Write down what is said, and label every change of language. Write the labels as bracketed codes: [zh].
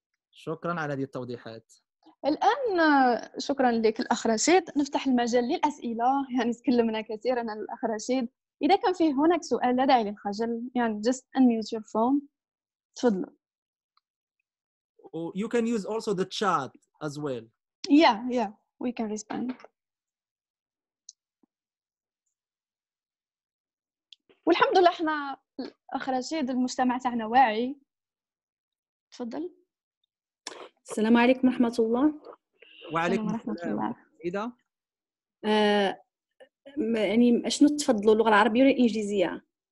[ar] شكرا على هذه التوضيحات. الآن شكرا لك الأخ رشيد، نفتح المجال للأسئلة، يعني تكلمنا كثيرا عن الأخ رشيد، إذا كان فيه هناك سؤال لا داعي للخجل، يعني just unmute your phone، تفضل. [en] You can use also the chat as well. Yeah, yeah, we can respond. [ar] والحمد لله احنا الأخ رشيد المجتمع تاعنا واعي. تفضل. السلام عليكم ورحمة الله. وعليكم السلام ورحمة الله. يعني شنو تفضلوا، اللغة العربية ولا الإنجليزية؟